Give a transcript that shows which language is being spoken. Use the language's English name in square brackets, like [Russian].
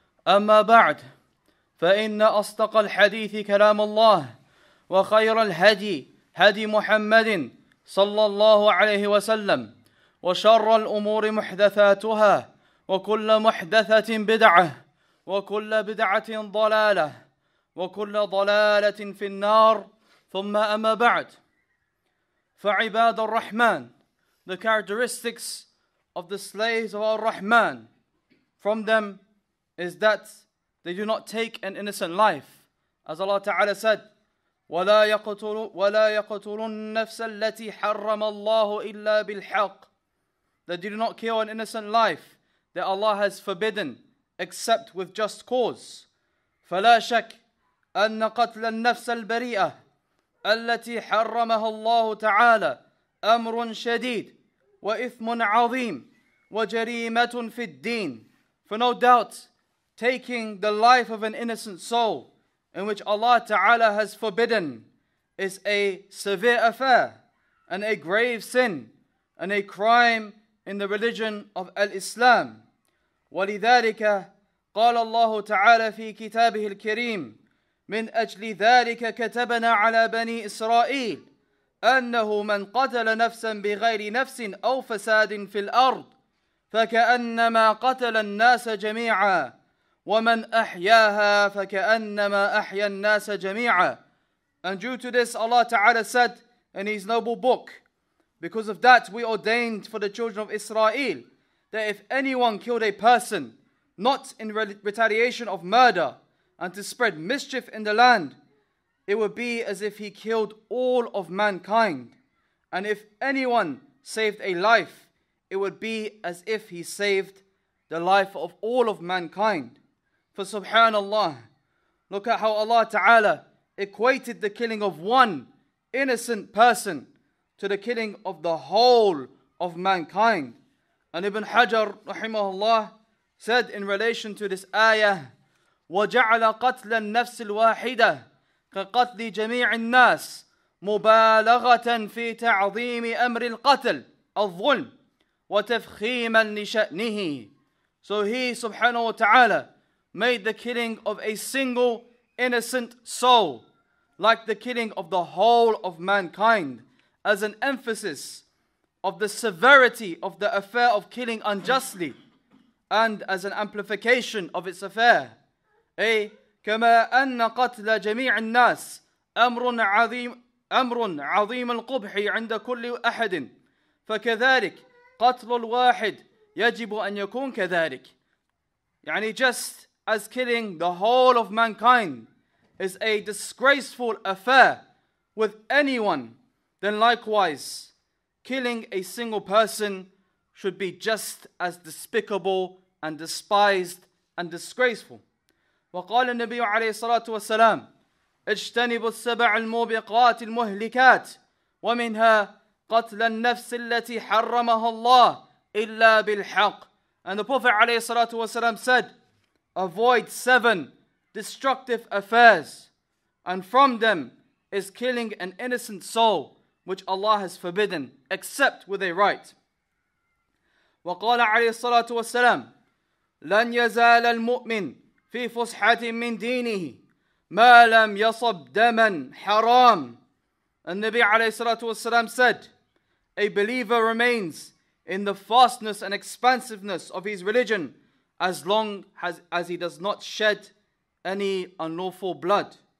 [Arabic] أما بعد، فإن أصدق الحديث كلام الله، وخير الهدي هدي محمد صلى الله عليه وسلم، وشر الأمور محدثاتها، وكل محدثة بدعة، وكل بدعة ضلالة، وكل ضلالة في النار. ثم أما بعد، فعباد الرحمن. [English] The characteristics of the slaves of Ar-Rahman from them is that they do not take an innocent life. As Allah Ta'ala said, [Arabic] وَلَا يَقْتُلُونَ النَّفْسَ الَّتِي حَرَّمَ اللَّهُ إِلَّا بِالْحَقِّ. [English] They do not kill an innocent life that Allah has forbidden except with just cause. [Arabic] فَلَا شَكْ أَنَّ قَتْلَ النَّفْسَ الْبَرِيئَةِ الَّتِي حَرَّمَهَا اللَّهُ تَعَالَى أَمْرٌ شَدِيدٌ وَإِثْمٌ عَظِيمٌ وَجَرِيمَةٌ فِي الدِّينِ. [English] For no doubt, taking the life of an innocent soul in which Allah Ta'ala has forbidden is a severe affair and a grave sin and a crime in the religion of Al-Islam. [Arabic] وَلِذَلِكَ قَالَ اللَّهُ تَعَالَى فِي كِتَابِهِ الْكِرِيمِ مِنْ أَجْلِ ذَلِكَ كَتَبَنَا عَلَى بَنِي إِسْرَائِيلِ أنه من قتل نفسا بغير نفس أو فساد في الأرض فكأنما قتل الناس جميعا ومن أحياها فكأنما أحيا الناس جميعا. [English] And due to this, Allah Ta'ala said in His noble book, because of that we ordained for the children of Israel that if anyone killed a person, not in retaliation of murder and to spread mischief in the land, it would be as if he killed all of mankind. And if anyone saved a life, it would be as if he saved the life of all of mankind. For subhanAllah, look at how Allah Ta'ala equated the killing of one innocent person to the killing of the whole of mankind. And Ibn Hajar rahimahullah said in relation to this ayah, [Arabic] وَجَعَلَ قَتْلَ النَّفْسِ الْوَاحِدَةِ كقتل جميع الناس مبالغة في تعظيم أمر القتل الظلم وتفخيما لشأنه. [English] So he subhanahu wa ta'ala made the killing of a single innocent soul like the killing of the whole of mankind as an emphasis of the severity of the affair of killing unjustly and as an amplification of its affair. [Arabic] كما أن قتل جميع الناس أمر عظيم القبح عند كل أحد فكذلك قتل الواحد يجب أن يكون كذلك. يعني [English] just as killing the whole of mankind is a disgraceful affair with anyone, then likewise killing a single person should be just as despicable and despised and disgraceful. [Arabic] وقال النبي عليه الصلاة والسلام اجتنبوا السبع الموبقات المهلكات ومنها قتل النفس التي حرمها الله إلا بالحق. [English] And the Prophet عليه الصلاة والسلام said, avoid seven destructive affairs, and from them is killing an innocent soul which Allah has forbidden except with a right. [Arabic] وقال عليه الصلاة والسلام لن يزال المؤمن في فسحة من دينه ما لم يصب دما حرام. النبي عليه الصلاة والسلام [English] said, a believer remains in the fastness and expansiveness of his religion as long as he does not shed any unlawful blood.